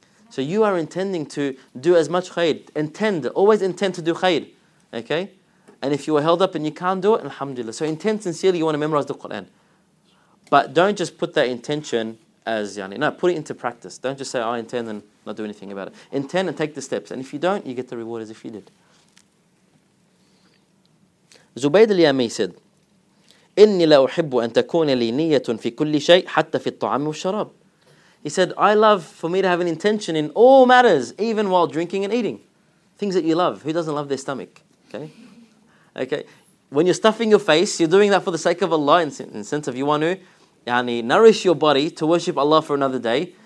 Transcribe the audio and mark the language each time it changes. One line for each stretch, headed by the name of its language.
English: So you are intending to do as much khayr. Intend, always intend to do khayr. Okay? And if you are held up and you can't do it, alhamdulillah. So intend sincerely, you want to memorize the Quran. But don't just put that intention as yani. No, put it into practice. Don't just say, I intend and not do anything about it. Intend and take the steps. And if you don't, you get the reward as if you did. Zubayd al-Yami said,
Arabic: إِنِّي لَأُحِبُّ أَن تَكُونَ لِي نِيَّةٌ فِي كُلِّ شَيْءٍ حَتَّى فِي الطَّعَامِ وَالشَّرَابِ.
English: He said, I love for me to have an intention in all matters, even while drinking and eating. Things that you love. Who doesn't love their stomach? Okay? Okay. When you're stuffing your face, you're doing that for the sake of Allah, in the sense of you want to yani, nourish your body to worship Allah for another day.